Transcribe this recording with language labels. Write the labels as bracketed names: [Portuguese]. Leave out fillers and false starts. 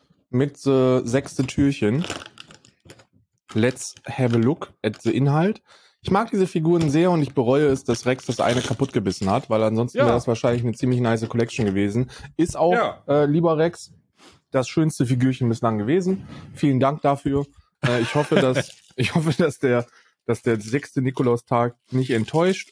[German] Mit [English] the [German] sechste Türchen. [English] Let's have a look at the Inhalt. [German] Ich mag diese Figuren sehr und ich bereue es, dass Rex das eine kaputt gebissen hat, weil ansonsten wäre das wahrscheinlich eine ziemlich [English] nice Collection [German] gewesen. Ist auch, lieber Rex, das schönste Figürchen bislang gewesen. Vielen Dank dafür. Ich hoffe, dass der sechste Nikolaustag nicht enttäuscht.